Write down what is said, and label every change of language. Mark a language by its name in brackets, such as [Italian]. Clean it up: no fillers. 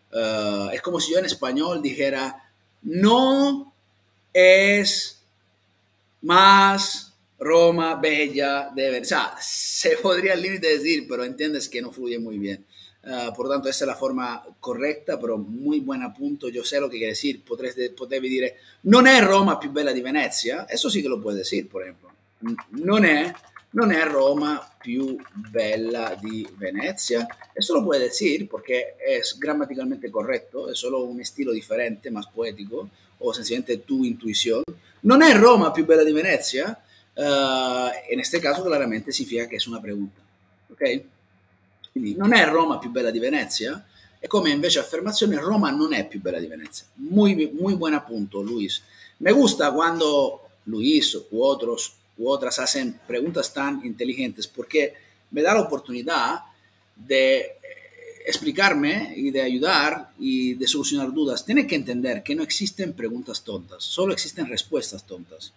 [Spanish] Es como si yo en español dijera, no es más Roma bella de ver. O sea, se podría al límite decir, pero entiendes que no fluye muy bien. Por tanto, esa es la forma correcta, pero muy buen apunto. Yo sé lo que quiere decir. [Italian] Potevi dire, non è Roma più bella di Venezia. [Spanish] Eso sí que lo puedes decir, por ejemplo. [Italian] Non è Roma più bella di Venezia. [Spanish] Eso lo puedes decir porque es gramaticalmente correcto. Es solo un estilo diferente, más poético, o sencillamente tu intuición. [Italian] Non è Roma più bella di Venezia. [Spanish] En este caso, claramente, significa que es una pregunta. Ok? [Italian] Quindi, non è Roma più bella di Venezia, e come invece affermazione Roma non è più bella di Venezia. [Spanish] Muy, muy buen apunto, Luis. Me gusta cuando Luis u otras hacen preguntas tan inteligentes porque me da la oportunidad de explicarme y de ayudar y de solucionar dudas. Tiene que entender que no existen preguntas tontas, solo existen respuestas tontas.